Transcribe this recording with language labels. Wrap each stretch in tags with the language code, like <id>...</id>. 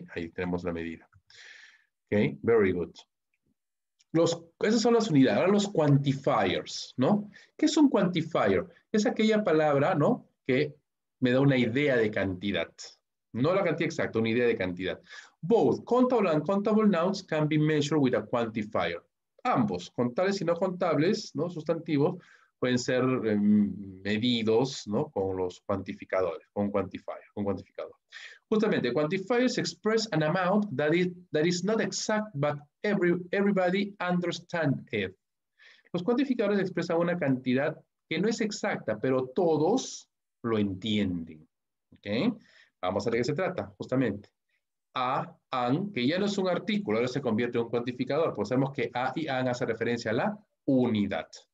<es>Ahí tenemos la medida. ¿Ok?</es> <en>Very good.</en> <es>Esas son las unidades. Ahora los quantifiers, ¿no? ¿Qué es un quantifier? Es aquella palabra, ¿no? Que me da una idea de cantidad. No la cantidad exacta, una idea de cantidad.</es> <en>Both countable and uncountable nouns can be measured with a quantifier.</en> <es>Ambos, contables y no contables, ¿no? Sustantivos, pueden ser medidos, ¿no? Con los cuantificadores, con quantifier, con cuantificador.</es> <en>Justamente, quantifiers express an amount that is not exact, but everybody understand it.</en> <es>Los cuantificadores expresan una cantidad que no es exacta, pero todos lo entienden. ¿Ok? Vamos a ver de qué se trata, justamente. A, an, que ya no es un artículo, ahora se convierte en un cuantificador, pues sabemos que a y an hace referencia a la unidad.</es>